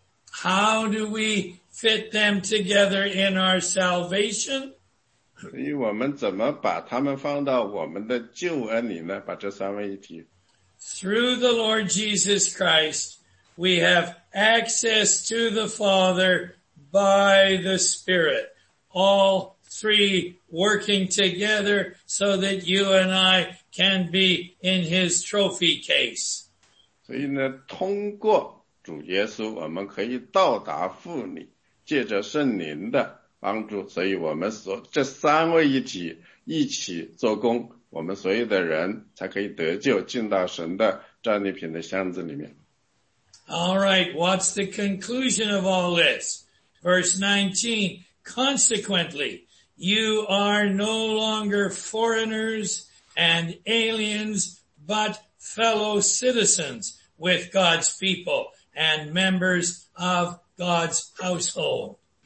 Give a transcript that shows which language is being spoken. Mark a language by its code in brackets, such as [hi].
[en] How do we fit them together in our salvation? [zh] 所以我们怎么把他们放到我们的救恩里呢？把这三位一体。 [en] Through the Lord Jesus Christ, we have access to the Father by the Spirit. All three working together so that you and I can be in his trophy case. [zh] 所以呢，通过 主耶稣，我们可以到达父里，借着圣灵的帮助，所以我们所这三位一体一起做工，我们所有的人才可以得救，进到神的战利品的箱子里面。 [en] All right, what's the conclusion of all this? Verse 19, consequently, you are no longer foreigners and aliens, but fellow citizens with God's people and members of God's household.